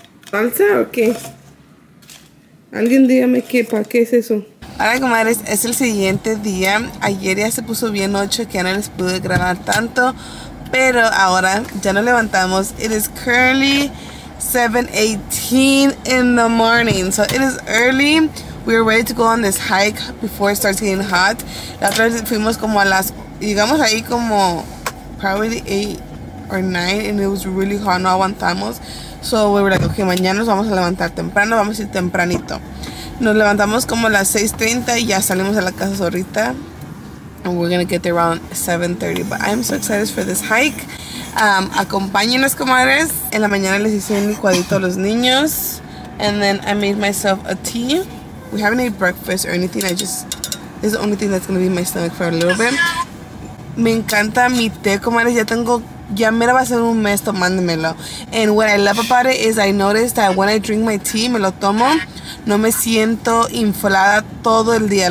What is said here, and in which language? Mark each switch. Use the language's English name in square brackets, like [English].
[Spanish] ¿Falsa o qué? Alguien dígame qué, ¿para qué es eso? Hola, comadres, es el siguiente día. Ayer ya se puso bien noche, que ya no les pude grabar tanto, pero ahora ya nos levantamos. [English] It is currently 7:18 in the morning, so it is early. We are ready to go on this hike before it starts getting hot. [Spanish] La otra vez fuimos como a las, llegamos ahí como [English] probably 8 or 9 and it was really hot, [Spanish] no aguantamos. [English] So we were like, okay, [Spanish] mañana nos vamos a levantar temprano, vamos a ir tempranito. Nos levantamos como a las 6:30 y ya salimos de la casa ahorita. [English] And we're gonna get there around 7:30, but I am so excited for this hike. [Spanish] Acompáñenos, comadres. En la mañana les hice un licuadito a los niños. [English] And then I made myself a tea. We haven't ate breakfast or anything. This is the only thing that's gonna be in my stomach for a little bit. [Spanish] Me encanta mi té, comadres. Ya mera va a ser un mes tomándomelo. [English] And what I love about it is I noticed that when I drink my tea, [Spanish] me lo tomo, no me siento inflada todo el día.